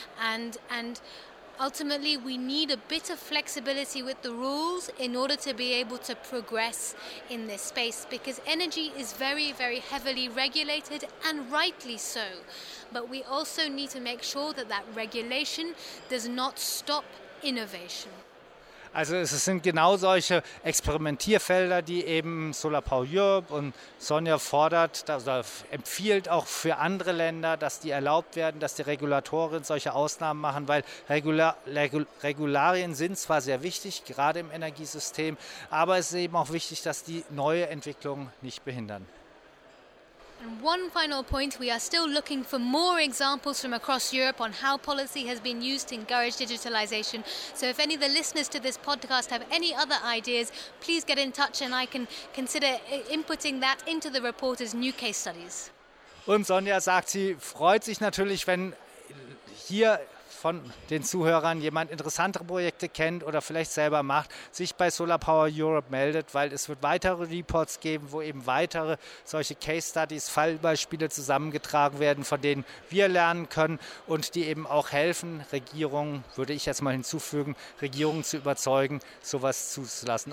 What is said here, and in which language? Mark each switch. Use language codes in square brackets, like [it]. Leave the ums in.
[en] And, and ultimately we need a bit of flexibility with the rules in order to be able to progress in this space because energy is very very heavily regulated and rightly so but we also need to make sure that that regulation does not stop innovation [de] Also es sind genau solche Experimentierfelder, die eben Solar Power Europe und Sonja fordert, also empfiehlt auch für andere Länder, dass die erlaubt werden, dass die Regulatoren solche Ausnahmen machen, weil Regular, Regul, Regularien sind zwar sehr wichtig, gerade im Energiesystem, aber es ist eben auch wichtig, dass die neue Entwicklung nicht behindern. [en] And one final point we are still looking for more examples from across Europe on how policy has been used to encourage digitalization. So, if any of the listeners to this podcast have any other ideas, please get in touch and I can consider inputting that into the report as new case studies. [de] Und Sonja sagt, sie freut sich natürlich, wenn hier von den Zuhörern jemand interessantere Projekte kennt oder vielleicht selber macht, sich bei Solar Power Europe meldet, weil es wird weitere Reports geben, wo eben weitere solche Case Studies, Fallbeispiele zusammengetragen werden, von denen wir lernen können und die eben auch helfen, Regierungen, würde ich jetzt mal hinzufügen, Regierungen zu überzeugen, sowas zuzulassen.